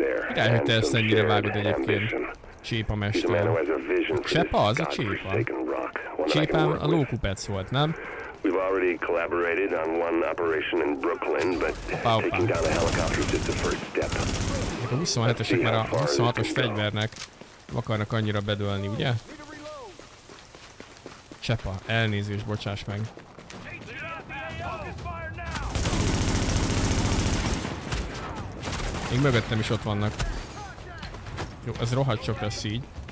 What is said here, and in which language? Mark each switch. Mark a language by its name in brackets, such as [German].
[Hungarian] Igen, hogy te ezt ennyire vágod egyébként, csépamester. Csepa? Az a csépa? Csépám a lókupec volt, nem? [English] We've already collaborated on one operation in Brooklyn, but taking down a helicopter is just the first step. [Hungarian] A 27-esek már a 26-os fegyvernek nem akarnak annyira bedölni, ugye? Csepa, elnézést, bocsáss meg. Még mögöttem is ott vannak. Jó, ez rohadt sok lesz így.